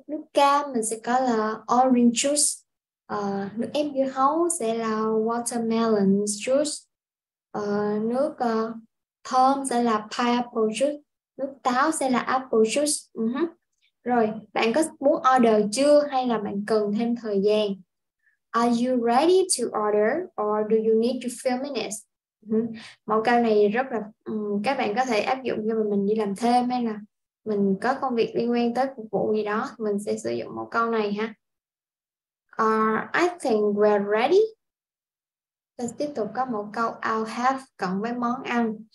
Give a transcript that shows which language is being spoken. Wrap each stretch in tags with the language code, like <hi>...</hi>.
<vi>Nước cam, mình sẽ có là orange juice. Nước ép dưa hấu sẽ là watermelon juice. Nước thơm sẽ là pineapple juice. Nước táo sẽ là apple juice. Rồi, bạn có muốn order chưa hay là bạn cần thêm thời gian?</vi> <en>Are you ready to order or do you need to fill minutes?</en> <vi>Mẫu câu này rất là các bạn có thể áp dụng cho mình đi làm thêm hay là mình có công việc liên quan tới phục vụ gì đó, mình sẽ sử dụng mẫu câu này ha.</vi> <en>I think we're ready.</en> <vi>Ta tiếp tục có một câu I'll have cộng với món ăn.</vi>